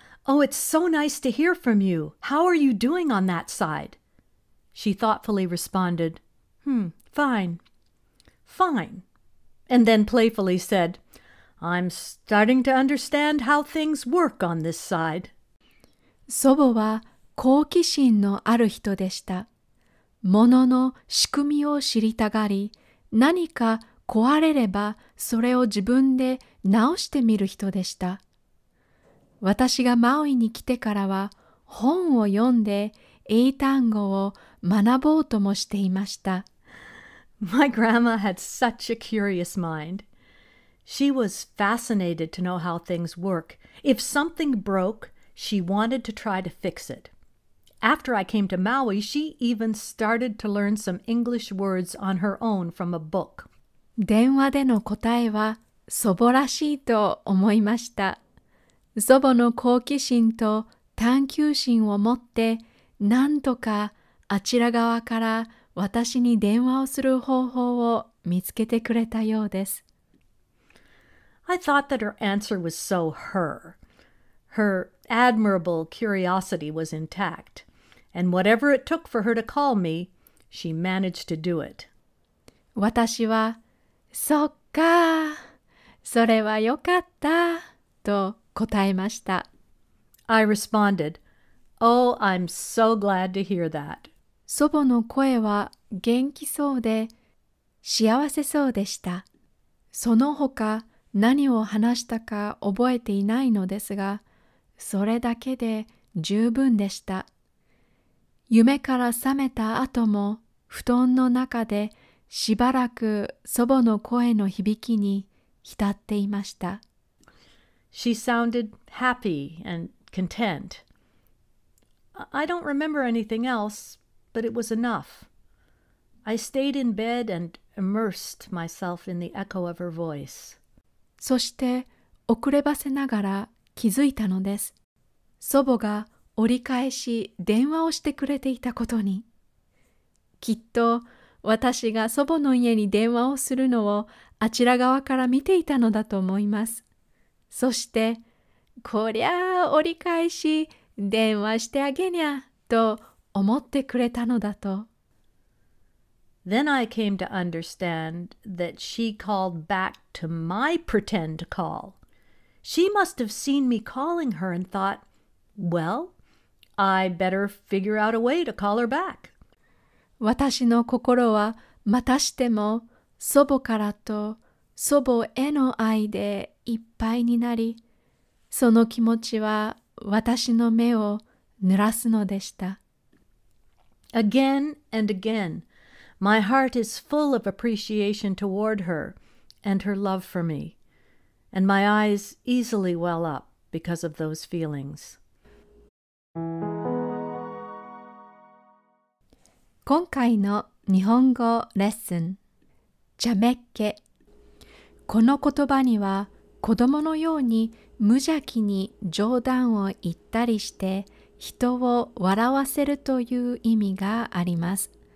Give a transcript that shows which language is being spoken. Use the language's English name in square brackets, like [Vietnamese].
[English] Oh, it's so nice to hear from you. How are you doing on that side? She thoughtfully responded, fine. Fine. And then playfully said, I'm starting to understand how things work on this side. [Japanese] 祖母は好奇心のある人でした。ものの仕組みを知りたがり、何か壊れればそれを自分で直してみる人でした。私がマウイに来てからは本を読んで英単語を学ぼうともしていました。 [English] My grandma had such a curious mind. She was fascinated to know how things work. If something broke, she wanted to try to fix it. After I came to Maui, she even started to learn some English words on her own from a book. [Japanese] 電話での答えは祖母らしいと思いました。祖母の好奇心と探求心を持って、なんとかあちら側から私に電話をする方法を見つけてくれたようです。 [English] I thought that her answer was so her. Her admirable curiosity was intact. And whatever it took for her to call me, she managed to do it. [Japanese] 私は、そっか、それはよかった、と答えました。 [English] I responded, Oh, I'm so glad to hear that. [Japanese] 祖母の声は元気そうで、幸せそうでした。その他、何を話したか覚えていないのですが、それだけで十分でした。夢から覚めた後も、布団の中でしばらく祖母の声の響きに浸っていました。 [English] She sounded happy and content. I don't remember anything else, but it was enough. I stayed in bed and immersed myself in the echo of her voice. [Japanese] そして、遅ればせながら気づいたのです。祖母が折り返し電話をしてくれていたことに。きっと、私が祖母の家に電話をするのをあちら側から見ていたのだと思います。そして、こりゃあ折り返し電話してあげにゃと思ってくれたのだと。 [English] Then I came to understand that she called back to my pretend call. She must have seen me calling her and thought, well, I better figure out a way to call her back. [Japanese] 私の心はまたしても祖母からと祖母への愛でいっぱいになり、その気持ちは私の目を濡らすのでした。 [English] Again and again. My heart is full of appreciation toward her and her love for me, and my eyes easily well up because of those feelings. [Japanese] 今回の日本語レッスン、ちゃめっ気。この言葉には子供のように無邪気に冗談を言ったりして人を笑わせるという意味があります。